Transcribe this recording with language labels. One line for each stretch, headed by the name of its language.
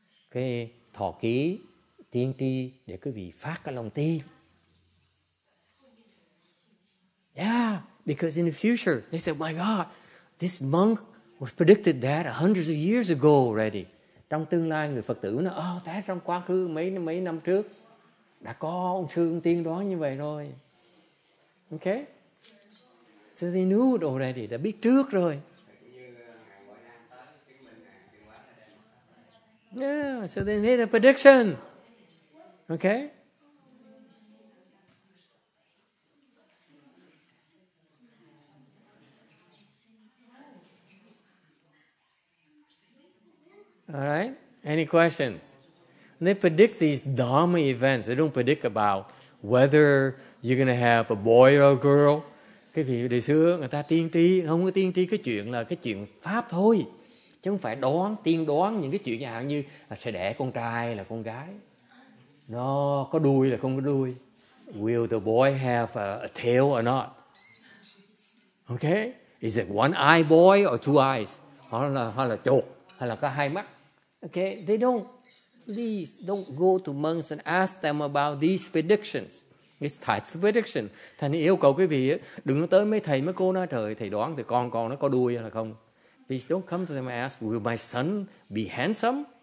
Vietnamese: Cái thọ ký tiên tri để quý vị phát cái lòng tin.
English: Yeah, because in the future, they said, my God, this monk was predicted that hundreds of years ago already.
Vietnamese: Trong tương lai, người Phật tử nói, thế trong quá khứ mấy năm trước, đã có ông sư ông tiên đoán như vậy rồi. Okay?
English: So they knew it already,
Vietnamese: đã biết trước rồi.
English: Yeah, so they made a prediction. Okay? All right? Any questions? They predict these Dharma events. They don't predict about whether you're going to have a boy or a girl.
Vietnamese: Cái vị đời xưa người ta tiên tri, không có tiên tri cái chuyện là cái chuyện pháp thôi. Chứ không phải đoán, tiên đoán những cái chuyện dạng như là sẽ đẻ con trai là con gái. Nó có đuôi là không có đuôi.
English: Will the boy have a tail or not? Okay? Is it one eye boy or two eyes?
Vietnamese: Hoặc là chột, hoặc là có hai mắt.
English: Okay? They don't. Please don't go to monks and ask them about these predictions. It's type of prediction.
Vietnamese: Thầy yêu cầu quý vị đừng tới mấy thầy mấy cô nói trời thầy đoán thì con nó có đuôi hay là không.
English: Please don't come to them and ask, will my son be handsome?